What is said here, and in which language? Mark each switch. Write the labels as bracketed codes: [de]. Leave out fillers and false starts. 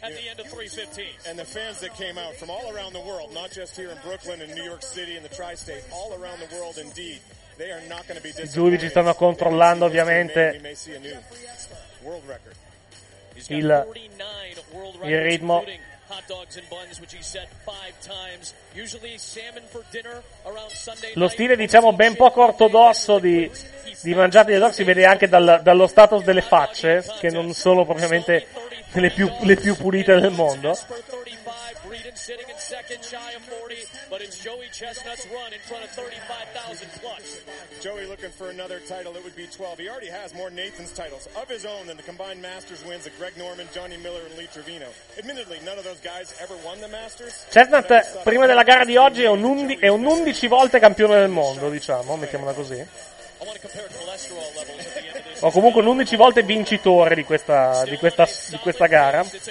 [en] And the fans that came out from all around the world, not just here in Brooklyn and New York City and the tri-state, all around the world indeed, they are not going to be disappointed. [it] I giudici stanno controllando ovviamente il ritmo. [en] Hot dogs and buns, which he said five times. Usually salmon for dinner around Sunday. [it] Lo stile, diciamo, ben poco ortodosso di mangiare gli hot dogs si vede anche dallo status delle facce, che non sono propriamente le più pulite del mondo. [en] Joey looking for another title, it would be 12. He already has more Nathan's titles of his own than the combined Masters wins of Greg Norman, Johnny Miller and Lee Trevino. Admittedly, none of those guys ever won the Masters. [it] Chestnut prima della gara di oggi è un 11 volte campione del mondo, diciamo, mettiamola così. O comunque un 11 volte vincitore di questa gara.